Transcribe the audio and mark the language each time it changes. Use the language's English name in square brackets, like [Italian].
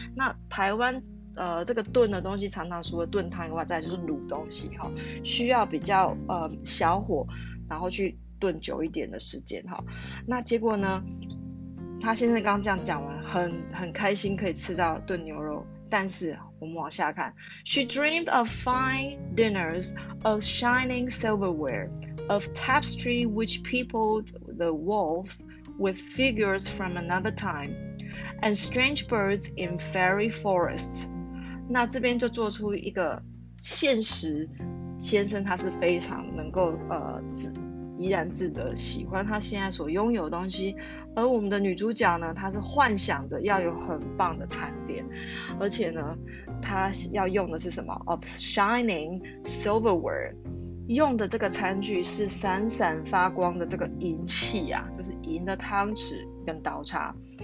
[Chinese] 那台湾这个炖的东西，常常除了炖汤以外，再就是卤东西，哈，需要比较小火，然后去炖久一点的时间，哈。那结果呢，他先生刚刚这样讲完，很开心可以吃到炖牛肉。 [English] 但是我们往下看，She dreamed of fine dinners, of shining silverware, of tapestry which peopled the walls with figures from another time, and strange birds in fairy forests。 [Chinese] 那这边就做出一个现实先生，他是非常能够怡然自得，喜欢他现在所拥有的东西，而我们的女主角呢，她是幻想着要有很棒的餐点，而且呢，她要用的是什么？ [English] Of shining silverware， [Chinese] 用的这个餐具是闪闪发光的这个银器呀、啊，就是银的汤匙跟刀叉。